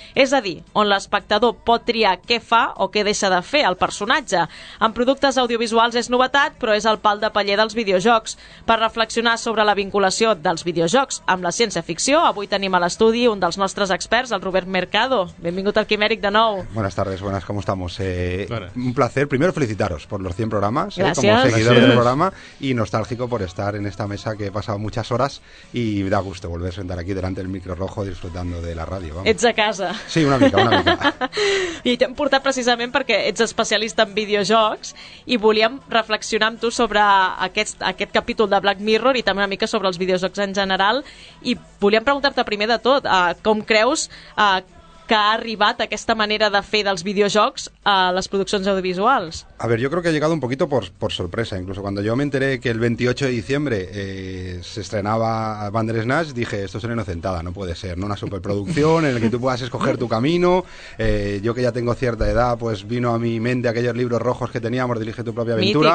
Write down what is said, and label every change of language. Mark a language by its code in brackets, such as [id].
[ca] És a dir, on l'espectador pot triar què fa o què deixa de fer el personatge. En productes audiovisuals és novetat, però és el pal de paller dels videojocs. Per reflexionar sobre la vinculació dels videojocs amb la ciència-ficció, avui tenim a l'estudi un dels nostres experts, el Robert Mercado. Benvingut al Quimèric de nou. [es] Buenas tardes, buenas. ¿Cómo estamos? Un placer. Primero felicitaros por los 100 programas, gracias. Como seguidor del programa, y nostálgico por estar en esta mesa que he pasado muchas horas y da gusto volver a sentar aquí delante del micro rojo disfrutando de la radio. Vamos. [ca] Ets a casa. Sí, una mica, una mica. I t'hem portat precisament perquè ets especialista en videojocs i volíem reflexionar amb tu sobre aquest capítol de Black Mirror i també una mica sobre els videojocs en general. I volíem preguntar-te primer de tot, com creus que ha arribat aquesta manera de fer dels videojocs a les produccions audiovisuals? [es] A ver, yo creo que ha llegado un poquito por sorpresa. Incluso cuando yo me enteré que el 28 de diciembre se estrenaba Bandersnatch, dije, esto es una inocentada, no puede ser, ¿no? Una superproducción en la que tú puedas escoger tu camino. Yo que ya tengo cierta edad, pues vino a mi mente aquellos libros rojos que teníamos, Dirige tu propia aventura.